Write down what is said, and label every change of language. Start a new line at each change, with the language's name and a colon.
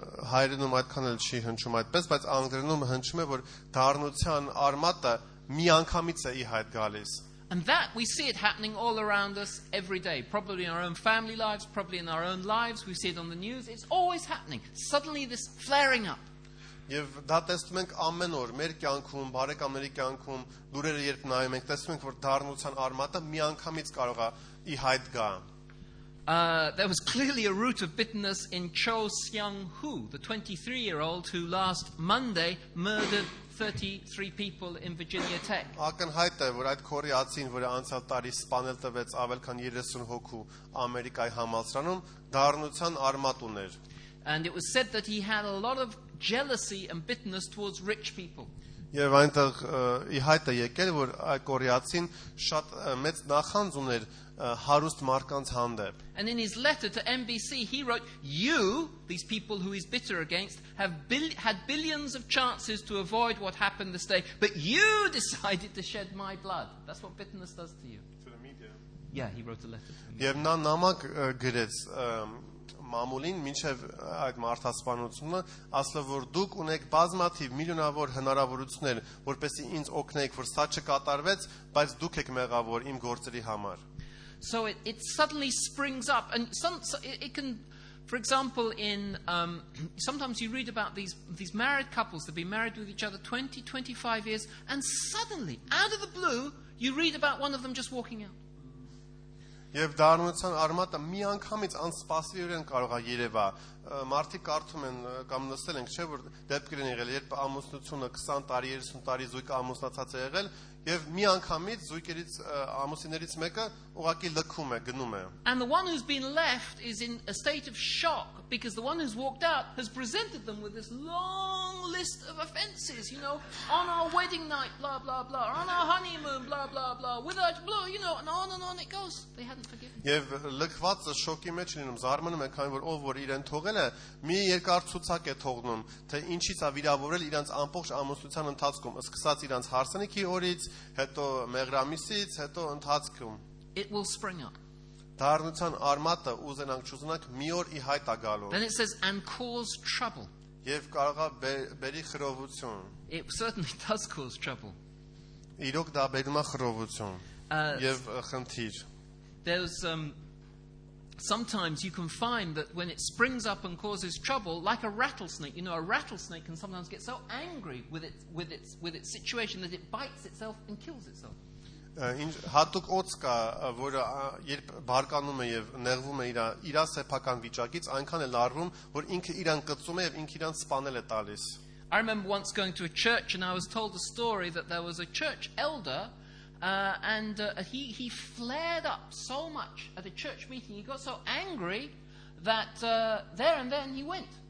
Armenian: Հայերենում այդքան էլ չի հնչում այդպես, բայց անգլերենում հնչում է, որ դառնության արմատը միանգամից է ի հայտ գալիս.
English: And that we see it happening all around us every day, probably in our own family lives, probably in our own lives, we see it on the news, it's always happening. Suddenly this flaring up.
Armenian: Եվ դա տեսնում ենք ամեն օր մեր կյանքում, բարեկամների կյանքում, լուրերը երբ նայում ենք, տեսնում ենք, որ դառնության արմատը միանգամից կարող է ի հայտ գա։
English: There was clearly a root of bitterness in Cho Seung-hu, the 23-year-old who last Monday murdered 33 people in Virginia Tech.
Armenian: Ակնհայտ է, որ այդ քորի ացին, որը անցյալ տարի սպանել տվեց ավել քան 30 հոգու Ամերիկայի համալսարանում, դառնության արմատ ուներ։
English: And it was said that he had a lot of jealousy and bitterness towards rich people.
Armenian: Եվ այնտեղ ի հայտ է եկել, որ այդ կորեացին շատ մեծ նախանձ ուներ հարուստ մարդկանց հանդեպ։
English: And in his letter to NBC he wrote, "You, these people who he's bitter against, have had billions of chances to avoid what happened this day, but you decided to shed my blood." That's what bitterness does to you. To the media. Yeah, he wrote a letter.
Armenian: Եվ նա նամակ գրեց մամուլին, մինչև այդ մարդասպանությունը, ասելով որ դուք ունեք բազմաթիվ միլիոնավոր հնարավորություններ, որպեսզի ինձ օգնեիք, որ սա չկատարվեց, բայց դուք եք մեղավոր իմ գործերի համար։
English: So it suddenly springs up, and it can, for example, in sometimes you read about these married couples that have been married with each other 20, 25 years, and suddenly, out of the blue, you read about one of them just walking out.
Armenian: Եվ դառնության արմատը միանգամից անսպասելիորեն կարող է երևա։ Մարդիկ կարդում են կամ նստել են, չէ՞, որ դեպքեր են եղել, երբ ամուսնությունը 20 տարի, 30 տարի զույգ ամուսնացած է եղել, եւ միանգամից զույգերից ամուսիններից մեկը ուղակի լքում է, գնում է։
English: And the one who's been left is in a state of shock because the one who's walked out has presented them with this long list of offenses, you know, on our wedding night, blah blah blah, on our honeymoon, blah blah blah, without blow, you know, and on it goes. They hadn't forgiven.
Armenian: Եվ լքվածը շոկի մեջ լինում, զարմանում է, քանի որ ով որ իրեն թողելը մի երկար ցուցակ է թողնում, թե ինչից է վիրավորել իրանց ամբողջ ամուսնության ընթացքում, սկսած իրանց հարսանեկի օրից, հետո մեղրամիսից, հետո ընթացքում։
English: It will spring up.
Armenian: Դառնության արմատը ուզենանք չուզենանք մի օր ի հայտ է գալու։
English: Then it says and cause trouble.
Armenian: Եվ կարող է բերի խրովություն։
English: It certainly does cause trouble.
Armenian: Իրոք դա բերում է խրովություն եւ խնդիր։
English: There's sometimes you can find that when it springs up and causes trouble, like a rattlesnake, you know, a rattlesnake can sometimes get so angry with its situation that it bites itself and kills itself.
Armenian: Հատուկ օձ կա, որը երբ բարկանում է եւ նեղվում է իր սեփական վիճակից, այնքան է լարվում, որ ինքը իրան կծում է եւ ինքը իրան սպանել է տալիս։
English: I remember once going to a church and I was told a story that there was a church elder And he flared up so much at a church meeting. He got so angry that there and then he went.